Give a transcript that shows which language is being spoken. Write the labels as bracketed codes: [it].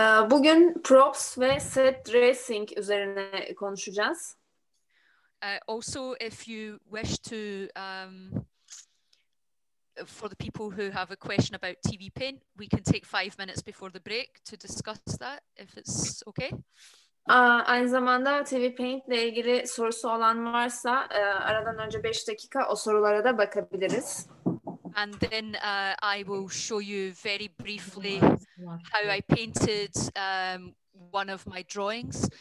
[tr] Bugün props ve set dressing üzerine konuşacağız. [en] Also, if you wish to, for the people who have a question about TV paint, we can take 5 minutes before the break to discuss that, if it's okay. [tr] Aynı zamanda TV paint ile ilgili sorusu olan varsa, aradan önce 5 dakika o sorulara da bakabiliriz. [en] And then I will show you very briefly how I painted one of my drawings.